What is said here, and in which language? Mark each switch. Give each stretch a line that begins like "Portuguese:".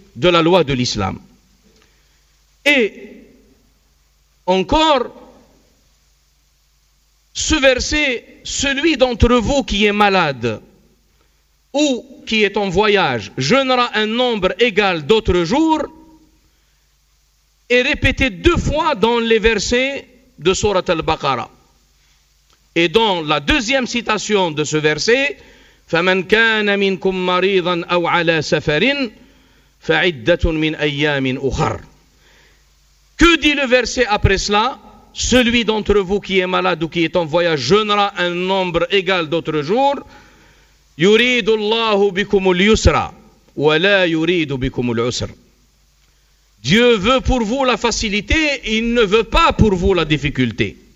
French: de la loi de l'islam. Et encore, ce verset, celui d'entre vous qui est malade ou qui est en voyage, jeûnera un nombre égal d'autres jours, est répété deux fois dans les versets de Sourate al-Baqarah. Et dans la deuxième citation de ce verset,
Arabic: فَمَنْ كَانَ مِنْكُمْ مَرِيضًا أَوْ عَلَى سَفَرٍ فَعِدَّةٌ مِنْ أَيَّامٍ أُخَرٍ.
French: Que dit le verset après cela? Celui d'entre vous qui est malade ou qui est en voyage jeûnera un nombre égal d'autres jours.
Arabic: يُرِيدُ اللَّهُ بِكُمُ الْيُسْرَ وَلَا يُرِيدُ بِكُمُ الْعُسْرَ.
French: Dieu veut pour vous la facilité, il ne veut pas pour vous la difficulté.